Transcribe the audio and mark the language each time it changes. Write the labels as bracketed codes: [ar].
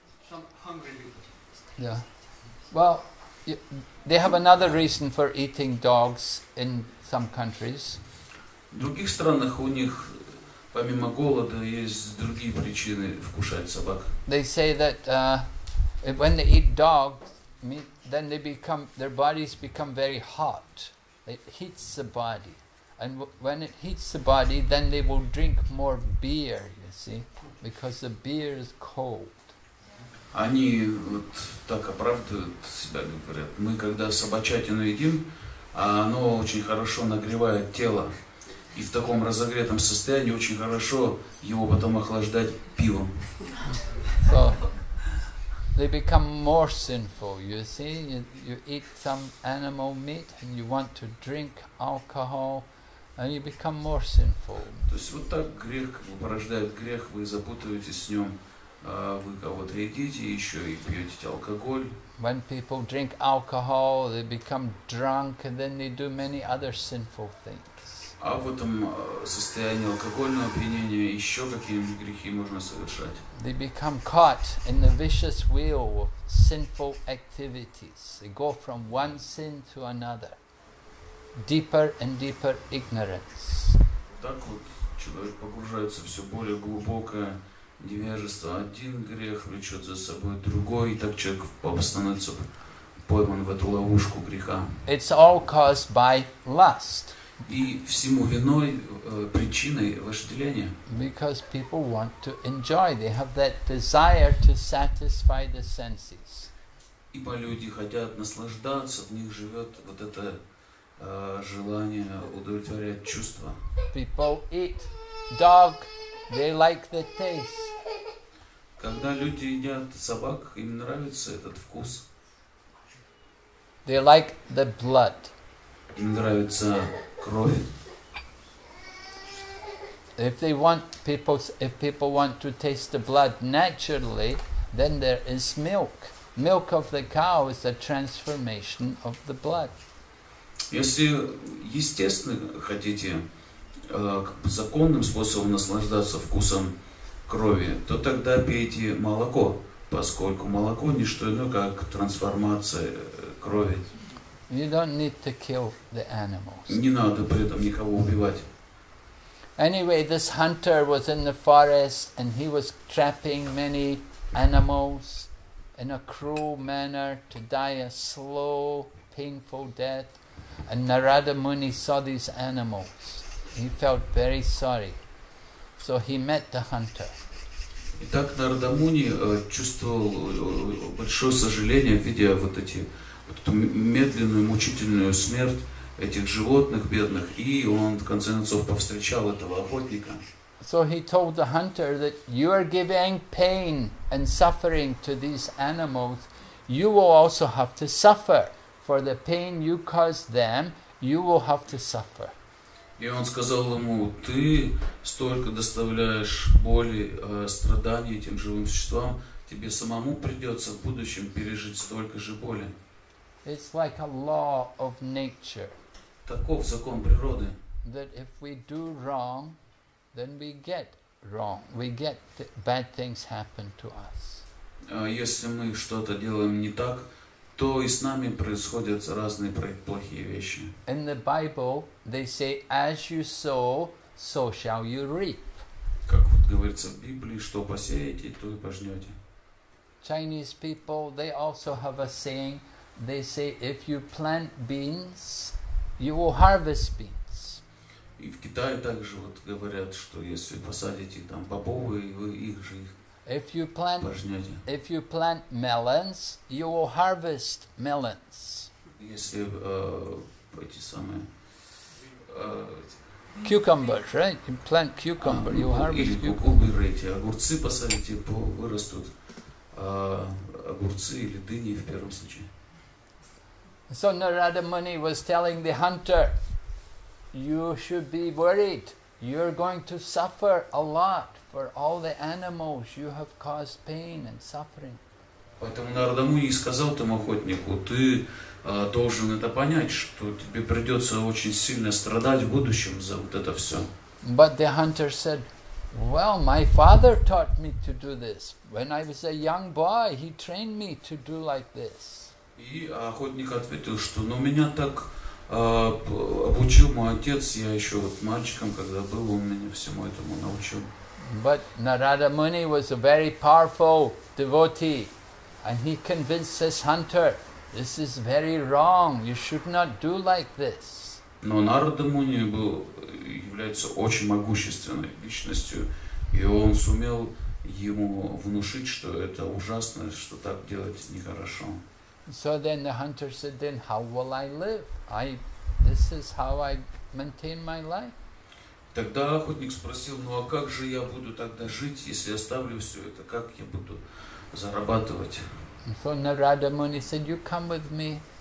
[en] Some hungry people. Yeah. Well, they have another reason for eating dogs in some countries. [ru] В других странах у них помимо голода есть другие причины вкушать собак. [en] They say that when they eat dogs meat, then they become, their bodies become very hot. It heats the body. And when it heats the body, then they will drink more beer, you see, because the beer is cold. [ru] Они вот так оправдывают себя, говорят, мы когда собачатину едим, оно очень хорошо нагревает тело. И в таком разогретом состоянии очень хорошо его потом охлаждать пивом. [en] So, they become more sinful, you see. You eat some animal meat and you want to drink alcohol. And you become more sinful. [ru] То есть вот так грех порождает грех, вы запутываетесь с нем, вы кого-то едите еще и пьете алкоголь. [en] When people drink alcohol, they become drunk, and then they do many other sinful things. [ru] А в этом состоянии алкогольного опьянения еще какие-нибудь грехи можно совершать? [en] They become caught in the vicious wheel of sinful activities. They go from one sin to another. Deeper and deeper ignorance. [ru] Так вот человек погружается все более глубокое невежество. Один грех влечет за собой другой, и так человек становится пойман в эту ловушку греха. [en] It's all caused by lust. [ru] И всему виной причиной вожделения. [en] Because people want to enjoy, they have that desire to satisfy the senses. [ru] Ибо люди хотят наслаждаться, в них живет вот это желание удовлетворять чувства. [en] People eat dog, they like the taste. [ru] Когда люди едят собак, им нравится этот вкус. [en] They like the blood. [ru] Им нравится кровь. [en] If people want to taste the blood naturally, then there is milk. Milk of the cow is a transformation of the blood. [ru] Если естественно хотите законным способом наслаждаться вкусом крови, то тогда пейте молоко, поскольку молоко не что иное, как трансформация крови. [en] You don't need to kill the animals. [ru] Не надо при этом никого убивать. [en] Anyway, this hunter was in the forest and he was trapping many animals in a cruel manner to die a slow, painful death. And Narada Muni saw these animals. He felt very sorry. So he met the hunter. [ru] Итак, Нарада Муни чувствовал большое сожаление, видя вот эти вот эту медленную, мучительную смерть этих животных бедных, и он в конце концов повстречал этого охотника. [en] So he told the hunter that you are giving pain and suffering to these animals. You will also have to suffer for the pain you cause them. You will have to suffer. [ru] И он сказал ему: ты столько доставляешь боли, страданий этим живым существам, тебе самому придется в будущем пережить столько же боли. [en] It's like a law of nature. [ru] Таков закон природы. [en] That if we do wrong, then we get wrong. We get bad things happen to us. [ru] Если мы что-то делаем не так, то и с нами происходят разные плохие вещи. [en] In the Bible, they say, as you sow, so shall you reap. [ru] Как вот говорится в Библии, что посеете, то и пожнете. [en] Chinese people, they also have a saying. They say, if you plant beans, you will harvest beans. [ru] И в Китае также вот говорят, что если посадите там бобовые, вы их же их пожнете. [en] If you plant melons, you will harvest melons. [ru] Если эти самые [en] cucumbers, right? You plant cucumber, you harvest cucumber. [ru] Или кукурузы, огурцы посадите, вырастут огурцы или дыни в первом случае. [en] So Narada Muni was telling the hunter, you should be worried. You're going to suffer a lot for all the animals. You have caused pain and suffering. [ru] Поэтому Нарада Муни сказал тому охотнику: ты должен это понять, что тебе придется очень сильно страдать в будущем за вот это все. [en] But the hunter said, well, my father taught me to do this. When I was a young boy, he trained me to do like this. [ru] И охотник ответил, что но меня так обучил мой отец, я еще вот мальчиком, когда был, он меня всему этому научил. [en] But Narada Muni was a very powerful devotee, and he convinced this hunter, this is very wrong, you should not do like this. [ru] Но Нарада Муни был, является очень могущественной личностью, и он сумел ему внушить, что это ужасно, что так делать нехорошо. [en] So then the hunter said, then how will I live? This is how I maintain my life. [ru] Тогда охотник спросил: ну а как же я буду тогда жить, если оставлю все это? Как я буду зарабатывать? [en] So Narada Muni said, you come with me.